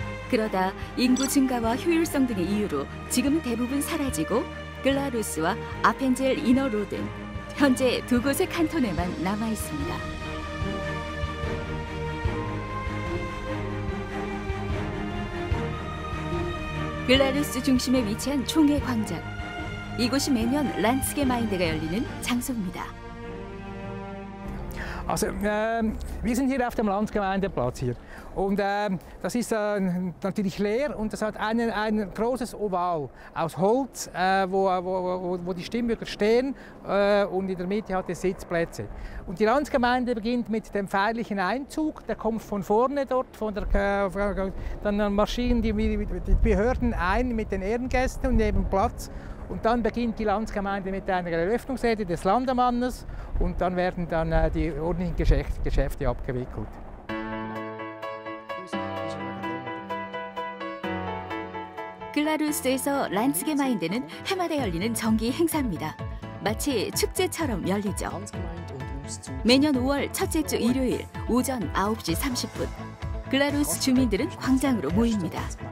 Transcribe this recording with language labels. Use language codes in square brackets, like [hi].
[ko] 그러다 인구 증가와 효율성 등의 이유로 지금 대부분 사라지고 글라루스와 아펜젤 이너로든 현재 두 곳의 칸톤에만 남아있습니다. 글라루스 중심에 위치한 총회 광장. 이곳이 매년 란츠게 마인드가 열리는 장소입니다. [de] Also, wir sind hier auf dem Landgemeindeplatz hier. Und das ist natürlich leer und das hat ein großes Oval aus Holz, wo die Stimmbürger stehen und in der Mitte hat es Sitzplätze. Und die Landsgemeinde beginnt mit dem feierlichen Einzug, der kommt von vorne dort, dann marschieren die Behörden ein mit den Ehrengästen und nehmen Platz. Und dann beginnt die Landsgemeinde mit einer Eröffnungsrede des Landammannes und dann werden dann die ordentlichen Geschäfte abgewickelt. [ko] 글라루스에서 란츠게 마인드는 해마다 열리는 정기 행사입니다. 마치 축제처럼 열리죠. 매년 5월 첫째 주 일요일 오전 9시 30분 글라루스 주민들은 광장으로 모입니다.